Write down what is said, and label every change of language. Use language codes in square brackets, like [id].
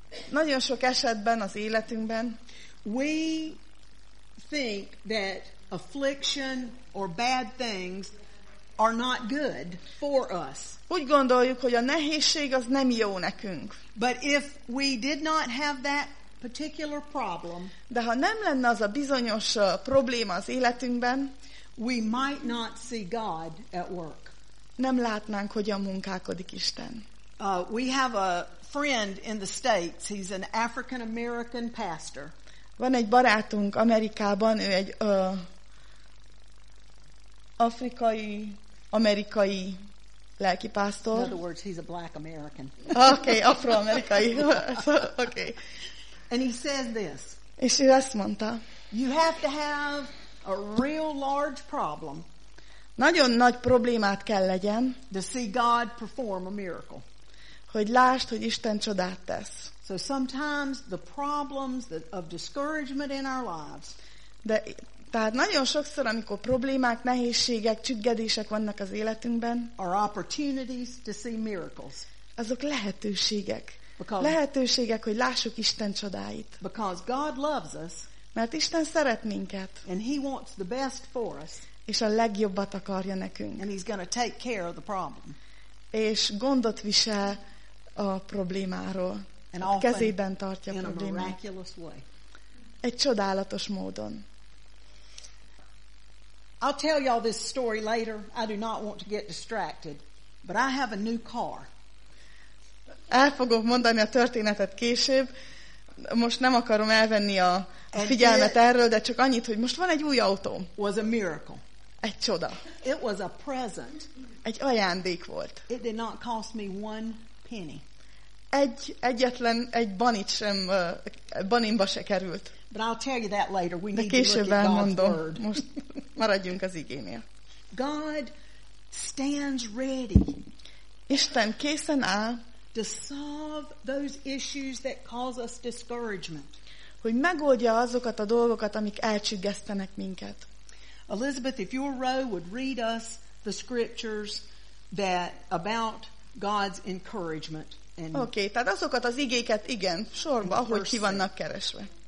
[hu] nagyon sok esetben az életünkben, [en] we think that affliction or bad things are not good for us. [hu] Úgy gondoljuk, hogy a nehézség az nem jó nekünk. [en] But if we did not have that particular problem, [hu] de ha nem lenne az a bizonyos probléma az életünkben, [en] we might not see God at work. [hu] Nem látnánk, hogyan munkálkodik Isten. [en] We have a friend in the States. He's an African American pastor. [hu] Van egy barátunk Amerikában, ő egy afrikai amerikai lelki pásztor. [en] In other words, he's a black American. [hu] Okay, afroamerikai. Okay. [en] And he says this. [hu] És ő azt mondta. [en] You have to have a real large problem. [hu] Nagyon nagy problémát kell legyen. [en] To see God perform a miracle. [hu] Hogy lásd, hogy Isten csodát tesz. [en] So sometimes the problems of discouragement in our lives. [hu] De tehát nagyon sokszor, amikor problémák, nehézségek, csüggedések vannak az életünkben, [en] are opportunities to see miracles. [hu] Azok lehetőségek. [en] Because [hu] lehetőségek, hogy lássuk Isten csodáit. [en] Because God loves us. [hu] Mert Isten szeret minket. [en] And he wants the best for us. [hu] És a legjobbat akarja nekünk. [en] And he's going to take care of the problem. [hu] És gondot visel a problémáról. [en] And [hu] a kezében tartja a problémát. Egy csodálatos módon. [en] I'll tell y'all this story later. I do not want to get distracted. But I have a new car. [hu] El fogok mondani a történetet később. Most nem akarom elvenni a figyelmet erről, de csak annyit, hogy most van egy új autóm. [en] Was a miracle. [hu] Egy csoda. [en] It was a present. [hu] Egy ajándék volt. [en] It did not cost me one penny. [hu] Egyetlen banit sem, banimba se került. [en] But I'll tell you that later. We [hu] de [en] need [hu] később [en] to look [hu] elmondom. [en] At God's word. [hu] Most maradjunk az igénél. [en] God stands ready. [hu] Isten készen áll. [en] To solve those issues that cause us discouragement. [hu] Hogy megoldja azokat a dolgokat, amik elcsüggesztenek minket. [en] Elizabeth, if your row would read us the scriptures that about God's encouragement. [hu] And okay, tehát azokat az igéket, igen, sorba, ahogy ki vannak keresve.